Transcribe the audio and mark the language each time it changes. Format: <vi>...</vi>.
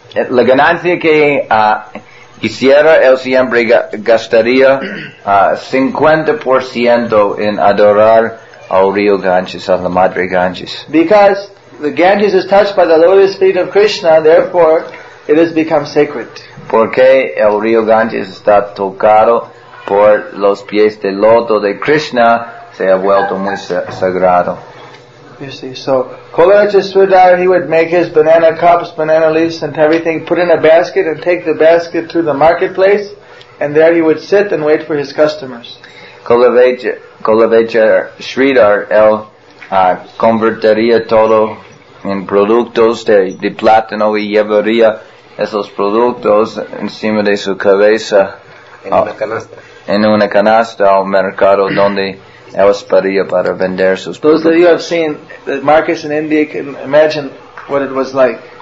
<es>La ganancia que hiciera, él siempre gastaría 50% en adorar al río Ganges, a la Madre Ganges.</es> <en>Because the Ganges is touched by the lotus feet of Krishna, therefore it has become sacred.</en> <es>Porque el río Ganges está tocado por los pies del loto de Krishna, se ha vuelto muy sagrado.</es> <en>You see, so Kulavecha Sridhar, he would make his banana cups, banana leaves, and everything, put in a basket, and take the basket to the marketplace, and there he would sit and wait for his customers.</en> <es>Kulavecha Sridhar, él convertiría todo en productos de plátano y llevaría esos productos encima de su cabeza en una canasta al mercado donde él esperaría para vender sus</es> <en>Those</en> <es>productos.</es> <en>Those of you have seen the markets in India can imagine what it was like.</en>